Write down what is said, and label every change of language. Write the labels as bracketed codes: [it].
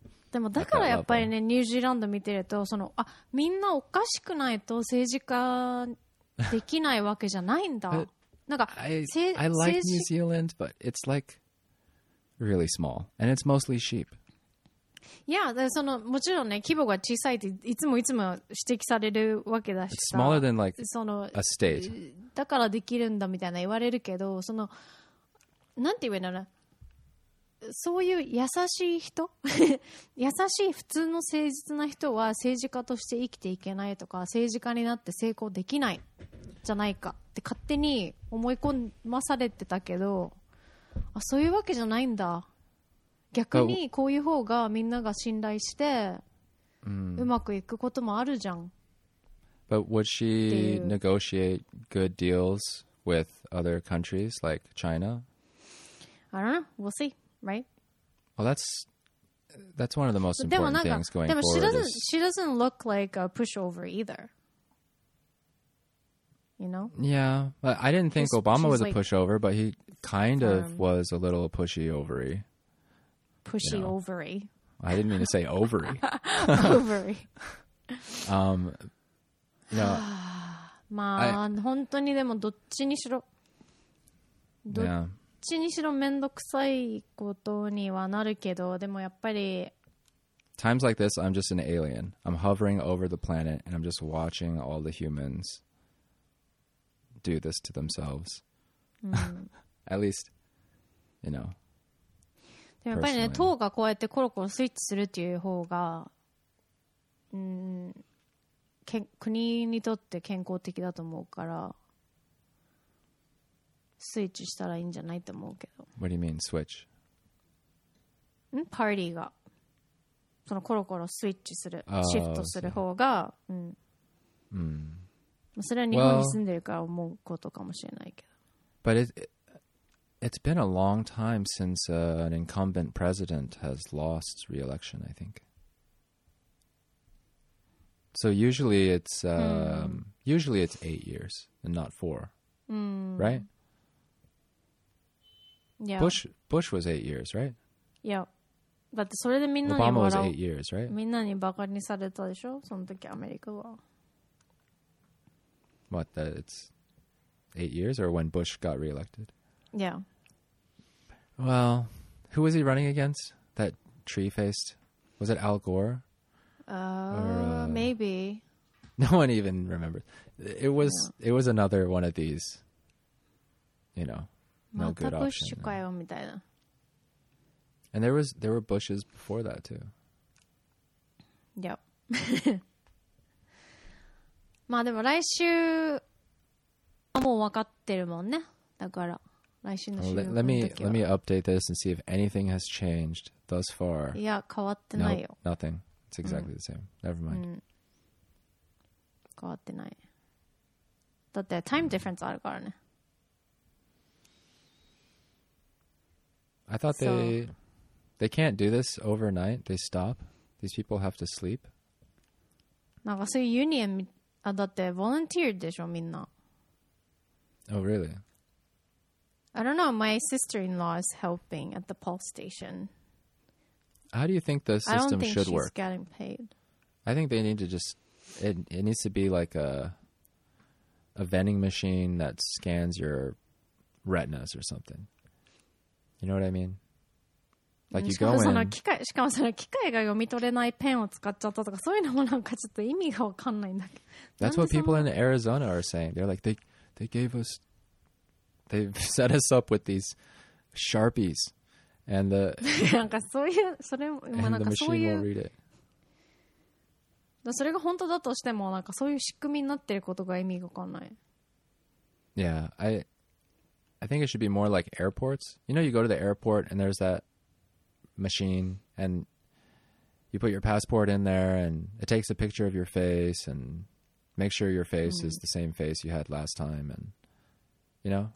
[ja] でもだからやっぱりね、ニュージーランド見てると、そのあ、みんなおかしくないと政治家できないわけじゃないんだ。なんか [en] I like New Zealand, but it's like really small and it's mostly sheep. [ja] Yeah, そのもちろんね、規模が小さいっていつもいつも指摘されるわけだし、 [en] It's smaller than like a state. [ja] だからできるんだみたいな言われるけど、そのなんて言うんだろう、そういう優しい人優しい普通の誠実な人は政治家として生きていけないとか、政治家になって成功できないじゃないかって勝手に思い込まされてたけど、あ、そういうわけじゃないんだ。逆にこういう方がみんなが信頼してうまくいくこともあるじゃん。 [en] But would she negotiate good deals with other countries like China? I don't know, we'll see. Right? Well, that's one of the most important things going forward. She doesn't look like a pushover either. You know? Yeah. But I didn't think Obama was a pushover, but he kind of was a little pushy overy. Pushy overy. I didn't mean to say overy. Overy. No. [ja] まあ、本当にでもどっちにしろ。 [en] Yeah. [ja] どっちにしろめんどくさいことにはなるけど、でもやっぱり [en] Times like this, I'm just an alien. I'm hovering over the planet and I'm just watching all the humans do this to themselves. At least, you know. [ja] でもやっぱりね、党がこうやってコロコロスイッチするっていう方が、国にとって健康的だと思うから、スイッチしたらいいんじゃないと思うけど。 [en] What do you mean, switch? [ja] ん？パーティーが。そのコロコロスイッチする、シフトする方が、それは日本に住んでるから思うことかもしれないけど。 [en] But it's been a long time since an incumbent president has lost re-election, I think. So usually it's, usually it's 8 years and not 4. Right? Yeah. Bush was 8 years, right? Yeah. But [ja] それでみんなに [en] 笑う。 Obama was 8 years, right? [ja] みんなにバカにされたでしょ、その時アメリカは。 [en] What, that it's 8 years or when Bush got re-elected? Yeah. Well, who was he running against? That tree-faced? Was it Al Gore? Maybe. No one even remembers. It was another one of these, you know. No good option. And there were Bushes before that too. Yep. [ja] まあでも来週はもう分かってるもんね。だから来週の週の時は。 [en] Let me update this and see if anything has changed thus far. [ja] いや変わってないよ。 [en] Nope, nothing. It's exactly the same. Never mind. [ja] 変わってない。だってタイムディフェンスあるからね。 [en] I thought they can't do this overnight. They stop. These people have to sleep. [ja] なんかそういうユニオン、あ、だって volunteered でしょ、みんな。 [en] Oh, really? I don't know. My sister-in-law is helping at the pulse station. How do you think the system should work? I don't think she's getting paid. I think they need to just... It needs to be like a vending machine that scans your retinas or something. You know what I mean? Like you go in... [ja] しかもその機械が読み取れないペンを使っちゃったとかそういうのもなんかちょっと意味がわかんないんだけど。 [en] That's what people in Arizona are saying. They're like, they gave us... They've set us up with these Sharpies and the, and the machine will read it. [ja] それが本当だとしてもなんかそういう仕組みになってることが意味がわかんない。 [en] Yeah, I think it should be more like airports. You know, you go to the airport and there's that machine and you put your passport in there and it takes a picture of your face and make sure your face is the same face you had last time and you know?